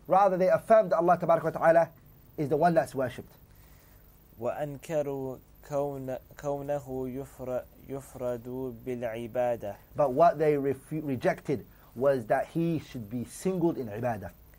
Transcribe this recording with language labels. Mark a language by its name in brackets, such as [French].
[English] Rather they affirmed that Allah [Arabic] تبارك وتعالى [English] is the one that's worshipped. [Arabic] وأنكروا كونه يفرد بالعبادة. [English] But what they rejected was that he should be singled in عبادة.